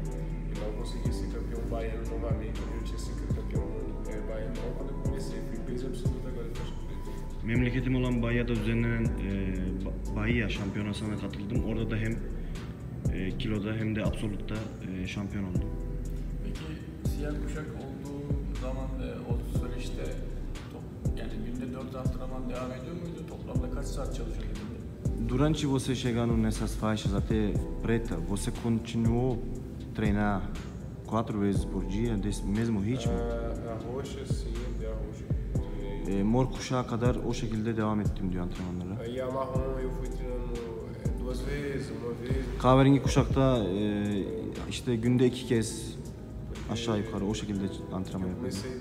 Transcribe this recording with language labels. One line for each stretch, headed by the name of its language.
Portuguese: E lá eu consegui ser campeão baiano novamente, eu tinha sido campeão baiano quando eu comecei, fui peso absoluto agora em faixa preta.
Turkish: Memleketim olan Bahia'da düzenlenen Bahia şampiyonasına katıldım. Orada da hem kiloda hem de absolutta şampiyon oldum. Siyah kuşak olduğu zaman o süreçte yani günde 4 antrenman devam ediyor muydu? Toplamda kaç saat çalışıyordun?
Portuguese: Durante você chegando nessas faixas até preta, você continuou treinar 4 vezes por dia desse mesmo ritmo? Roxa, sim, de roxa.
Turkish: Mor kuşağı kadar o şekilde devam ettim diyor antrenmanlara.
Portuguese: Ya marrom, eu fui treinando duas vezes, uma vez.
Turkish: Kahverengi kuşakta işte günde 2 kez aşağı yukarı o şekilde antrenman yapıyorum.